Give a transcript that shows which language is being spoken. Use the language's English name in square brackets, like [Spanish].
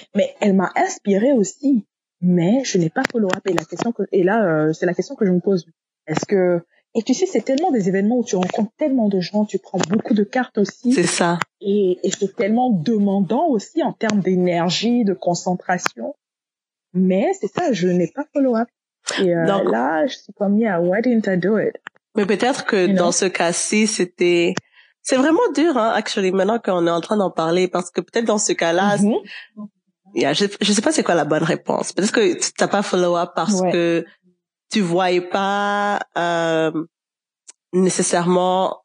[French] Mais elle m'a inspirée aussi. Mais je n'ai pas [English] follow up. [French] Et la question que... Et là, c'est la question que je me pose. Est-ce que... Et tu sais, c'est tellement des événements où tu rencontres tellement de gens, tu prends beaucoup de cartes aussi. C'est ça. Et c'est tellement demandant aussi en termes d'énergie, de concentration. Mais c'est ça, je n'ai pas [English] follow up. [French] Et donc, là, je suis comme, [English] yeah, why didn't I do it? [French] Mais peut-être que dans ce cas-ci, c'était... C'est vraiment dur, hein, [English] actually, [French] maintenant qu'on est en train d'en parler, parce que peut-être dans ce cas-là, [English] yeah, [French] je sais pas c'est quoi la bonne réponse. Peut-être que tu n'as pas [English] follow up [French] parce que tu voyais pas nécessairement...